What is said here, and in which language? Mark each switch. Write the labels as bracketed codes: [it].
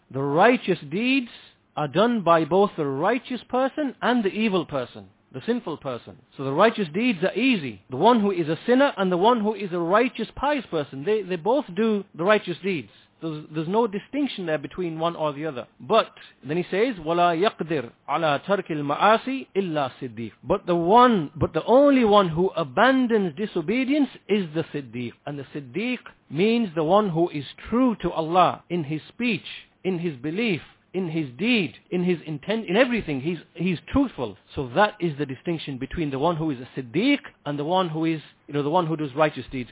[en] The righteous deeds are done by both the righteous person and the evil person, the sinful person. So the righteous deeds are easy. The one who is a sinner and the one who is a righteous, pious person, they both do the righteous deeds. there's no distinction there between one or the other. But then he says, [ar] وَلَا يَقْدِرْ عَلَىٰ تَرْكِ الْمَعَاسِ إِلَّا صِدِّيقٌ. [en] But the only one who abandons disobedience is the Siddiq. And the Siddiq means the one who is true to Allah in his speech, in his belief, in his deed, in his intent, in everything. He's truthful. So that is the distinction between the one who is a Siddiq and the one who is, you know, the one who does righteous deeds.